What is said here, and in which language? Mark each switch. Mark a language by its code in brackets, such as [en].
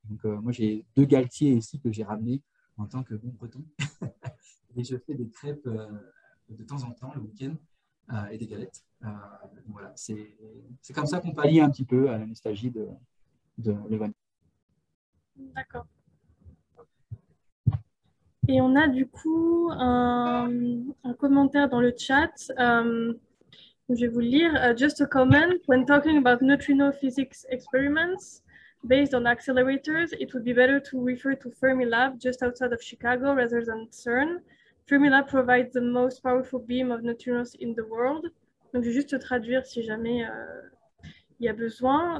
[fr] Donc, moi, j'ai deux galetiers ici que j'ai ramenés en tant que bon breton et je fais des crêpes de temps en temps le week-end. Et des galettes. Voilà, c'est comme ça qu'on pallie un petit peu à la nostalgie de l'événement. D'accord. Et on a du coup un commentaire dans le chat Je vais vous lire. [en] Just a comment, when talking about neutrino physics experiments based on accelerators, it would be better to refer to Fermilab just outside of Chicago rather than CERN. Fermilab provides the most powerful beam of neutrinos in the world. [fr] Donc, je vais juste traduire si jamais il y a besoin.